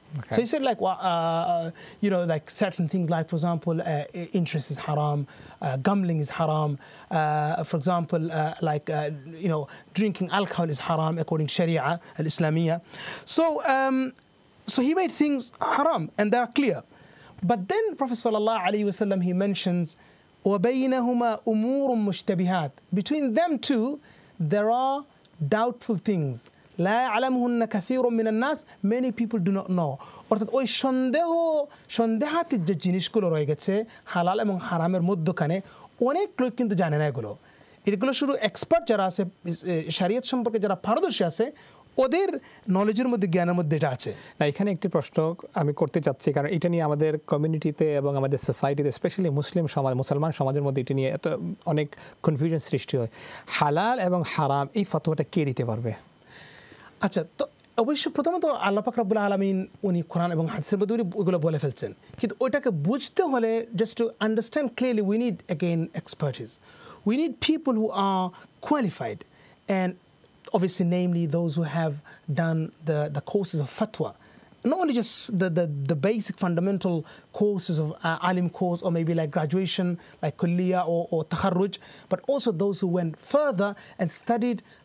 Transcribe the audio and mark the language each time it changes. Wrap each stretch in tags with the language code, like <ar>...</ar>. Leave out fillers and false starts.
<en>So he said, like, you know, like certain things, like, for example, interest is haram, gambling is haram, for example, you know, drinking alcohol is haram according to Sharia al-Islamiyah. So So he made things haram, and they are clear. But then Prophet sallallahu alaihi wasallam, he mentions,</en> <ar>وَبَيْنَهُمَا أُمُورٌ مُشْتَبِهَاتٌ.</ar> <en>Between them two, there are doubtful things.</en> <ar>لَا يَعْلَمُهُنَّ كَثِيرٌ مِّنَ النَّاسِ.</ar> <en>Many people do not know.</en> <bn>অর্থাৎ ওই সন্দেহ সন্দেহাতীত যে জিনিসগুলো রয়ে গেছে হালাল এবং হারামের মধ্যখানে, অনেক লোক কিন্তু জানে না এগুলো। এগুলো শুধু এক্সপার্ট যারা আছে শরীয়ত সম্পর্কে, যারা পারদর্শী আছে, ওদের নলেজের মধ্যে, জ্ঞানের মধ্যে এটা আছে না। এখানে একটি প্রশ্ন আমি করতে চাচ্ছি, কারণ এটা নিয়ে আমাদের কমিউনিটিতে এবং আমাদের সোসাইটিতে, স্পেশালি মুসলিম সমাজ, মুসলমান সমাজের মধ্যে এটা নিয়ে এত অনেক কনফিউশন সৃষ্টি হয়। হালাল এবং হারাম এই ফতোয়াটা কে দিতে পারবে? আচ্ছা, তো অবশ্য প্রথমত আল্লাহ পাক রব্বুল আলামিন উনি কোরআন এবং হাদিসের মধ্যে ওইগুলো বলে ফেলছেন, কিন্তু ওইটাকে বুঝতে হলে</bn> <en>just to understand clearly we need again expertise, we need people who are qualified, and obviously namely those who have done the courses of fatwa, not only just the basic fundamental courses of alim course, or maybe like graduation like kulliya or takharruj, but also those who went further and studied</en>